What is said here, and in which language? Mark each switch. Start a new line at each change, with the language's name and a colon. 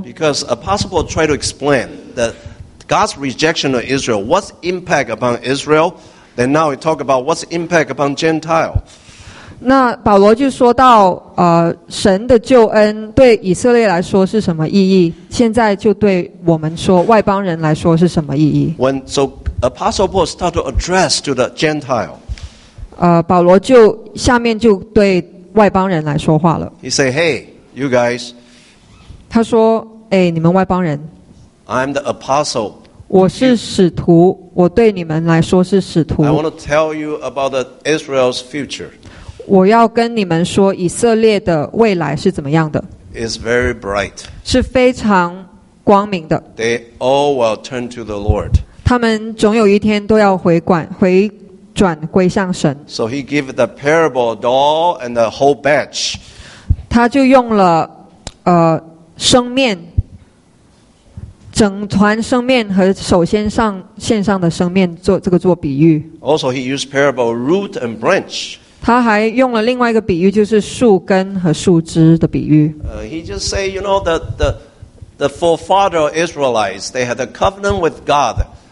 English: ，because Apostle try to explain that God's rejection of Israel, what's impact upon Israel, then now we talk about what's impact upon Gentile.
Chinese: 那保罗就说到，神的救恩对以色列来说是什么意义？现在就对我们说，外邦人来说是什么意义
English: ？When so Apostle Paul start to address to the Gentile，
Chinese: 保罗就下面就对外邦人来说话了。
English: He say, "Hey, you guys."
Chinese: 他说，哎，你们外邦人。
English: I'm the apostle.
Chinese: 我是使徒，我对你们来说是使徒。
English: I want to tell you about the Israel's future.
Chinese: 我要跟你们说以色列的未来是怎么样的。
English: It's very bright.
Chinese: 是非常光明的。
English: They all will turn to the Lord.
Chinese: 他们总有一天都要回转归向神。
English: So he gave the parable of the doll and the whole batch.
Chinese: 他就用了生面。整团生面和首先上线上的生面做这个做比喻。
English: Also, he used parable root and branch.
Chinese: 他还用了另外一个比喻，就是树根和树枝的比喻。
English: He just say, you know, the forefather Israelites, they had a covenant with God.